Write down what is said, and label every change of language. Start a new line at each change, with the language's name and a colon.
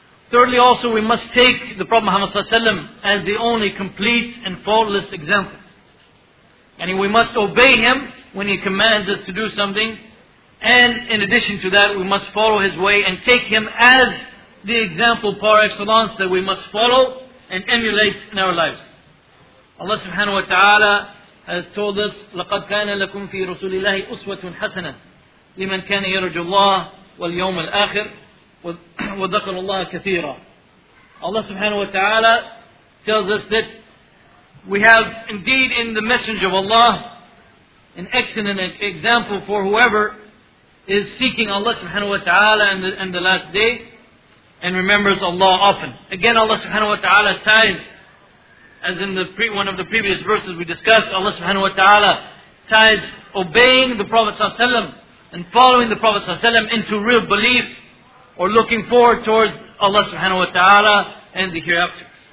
English: Thirdly, also we must take the Prophet Muhammad sallallahu alayhi wa sallam as the only complete and faultless example. And we must obey him when he commands us to do something. And in addition to that, we must follow his way and take him as the example par excellence that we must follow and emulate in our lives. Allah subhanahu wa ta'ala has told us,
Arabic: لَقَدْ كَانَ لَكُمْ فِي رَسُولِ اللَّهِ أُسْوَةٌ حَسَنَةٌ لِمَنْ كَانَ يَرْجُ اللَّهِ وَالْيَوْمَ الْآخِرِ وَذَكَرُ اللَّهَ كَثِيرًا. Allah subhanahu wa ta'ala
English: tells us that we have indeed in the Messenger of Allah an excellent example for whoever is seeking Allah subhanahu wa ta'ala in the last day and remembers Allah often. Again, Allah subhanahu wa ta'ala ties, as in the one of the previous verses we discussed, Allah subhanahu wa ta'ala ties obeying the Prophet sallallahu alaihi wasallam and following the Prophet sallallahu alaihi wasallam into real belief or looking forward towards Allah subhanahu wa ta'ala and the hereafter.